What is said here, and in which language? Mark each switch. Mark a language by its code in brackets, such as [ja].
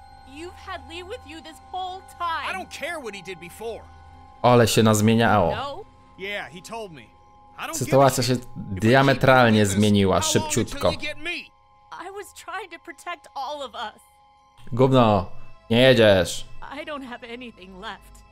[en] You've had Lee with you this whole time. I don't care what he did before. [pl] Ale się nazmieniało. [en] Yeah, he told me. [pl] Sytuacja się diametralnie zmieniła, szybciutko. [en] I was trying to protect all of us. [pl] Gówno, nie jedziesz. [en] I don't have anything left.